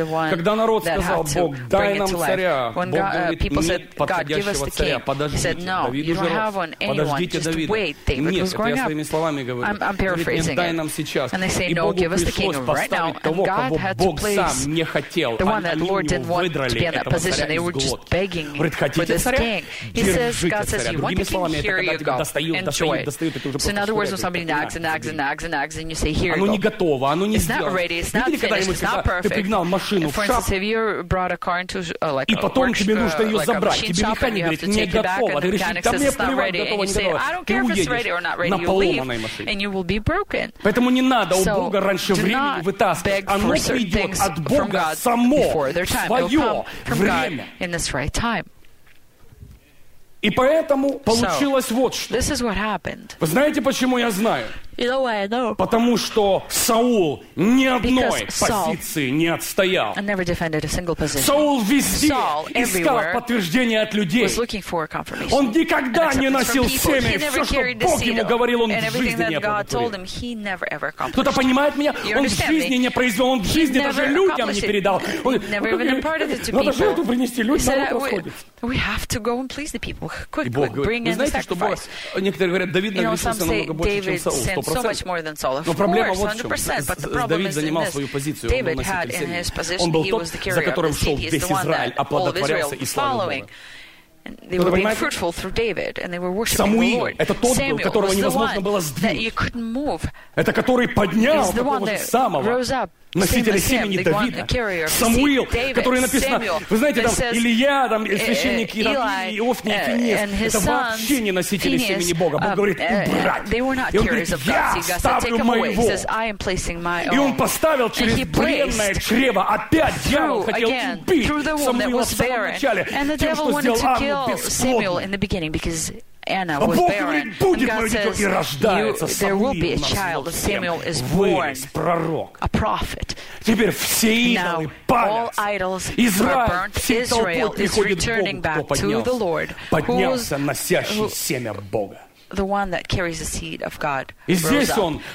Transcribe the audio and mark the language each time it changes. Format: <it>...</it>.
<ru>Когда народ сказал, Бог, дай нам царя, Бог говорит, нет подходящего царя, подождите, Давид уже рос, подождите Давида. Нет, это я своими словами говорю. Нет, нет, дай нам сейчас. И Богу пришлось поставить того, кого Бог сам не хотел, а они у него выдрали этого царя из глотки. Говорит, хотите царя? Держите царя.</ru> <en>you. Once they can hear you, go. Enjoy. So in other words, when somebody nags and nags and nags and nags, and you say, here you go. It's not ready. It's not finished. It's not perfect. For instance, if you brought a car into like a workshop, like a machine shop, and you have to take it back, and the mechanic says it's not ready, and you say, I don't care if it's ready or not ready, you leave, and you will be broken.</en> <ru>Поэтому не надо у Бога раньше времени вытаскивать. Оно придет от Бога само в свое время.</ru> <en>Right.</en> <ru>И поэтому получилось вот что.</ru> <en>This is what happened.</en> <ru>Вы знаете, почему я знаю?</ru> <en>You know why I know?</en> <ru>Потому что Саул ни одной позиции не отстоял.</ru> <en>I never defended a single position.</en> <ru>Саул везде искал подтверждение от людей.</ru> <en>Was looking for confirmation.</en> <ru>Он никогда не носил семя, и все, что Бог ему говорил, он в жизни не оплодотворил. Кто-то понимает меня? Он в жизни не произвел, он в жизни даже людям не передал. Надо жертву принести, люди народ расходятся.</ru> <en>We have to go and please the people. Quick, bring in the sacrifice.</en> <ru>Некоторые говорят, Давид нагрешился намного больше, чем Саул. 100%.</ru> <en>So much more than Saul. Of course, 100%. But the problem is this. David had in his position, he was the carrier of the seed. He's the one that all of Israel was following. And they were being fruitful through David, and they were worshiping the Lord.</en> <ru>Самуил, это тот, которого невозможно было сдвинуть.</ru> <en>That you couldn't move.</en> <ru>Это который поднял такого же самого. Носители семени Давида, Самуил, который написано, вы знаете, там, Илья, там, священник Иерофей, Иофни, Финиес, это вообще не носители семени Бога. Бог говорит, убрать. И он говорит, я ставлю моего. И он поставил через бренное чрево. Опять дьявол хотел убить Самуила в самом начале, тем, что сделал Анну бесплодной.</ru> <en>Anna was barren, and God says, you, there will be a child, Samuel is born, a prophet. Now, all idols are burnt, Israel is returning back to the Lord, the one that carries the seed of God rose up.</en>